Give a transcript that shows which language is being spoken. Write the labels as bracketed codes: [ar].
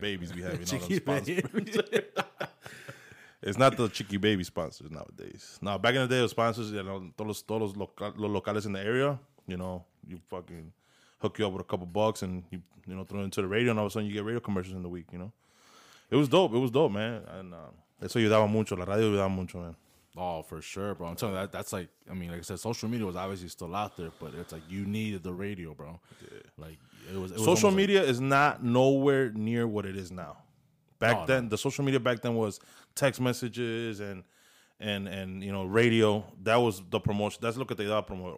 [en] babies we have, you know, those sponsors. It's not the chicky baby sponsors nowadays. Now, back in the day, the sponsors, you know, [es] todos los locales [en] in the area, you know, you fucking hook you up with a couple bucks and you know, throw it into the radio and all of a sudden you get radio commercials in the week, you know. It was dope, man. [es] Eso ayudaba mucho, la radio ayudaba mucho, man. [en] Oh, for sure, bro. I'm telling you, that's like, I mean, like I said, social media was obviously still out there, but it's like you needed the radio, bro. Yeah. Like, it was social media like, is not nowhere near what it is now. back then, the social media back then was text messages and you know, radio. That was the promotion. That's [es] lo que te da promoción.